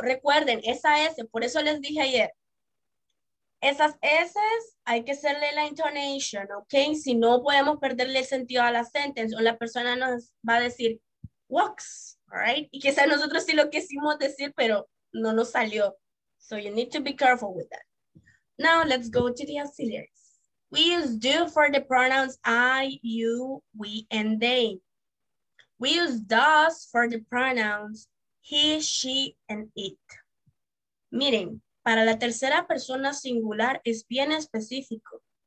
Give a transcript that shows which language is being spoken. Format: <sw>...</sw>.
<es>Recuerden, esa S, por eso les dije ayer. Esas S's hay que hacerle la intonation, okay? Si no, podemos perderle el sentido a la sentence o la persona nos va a decir, walks,</es> <en>all right?</en> <es>Y quizás nosotros sí lo quisimos decir, pero no nos salió.</es> <en>So you need to be careful with that. Now let's go to the auxiliaries. We use do for the pronouns I, you, we, and they. We use does for the pronouns he, she, and it.</en> <es>Miren, para la tercera persona singular es bien específico.</es>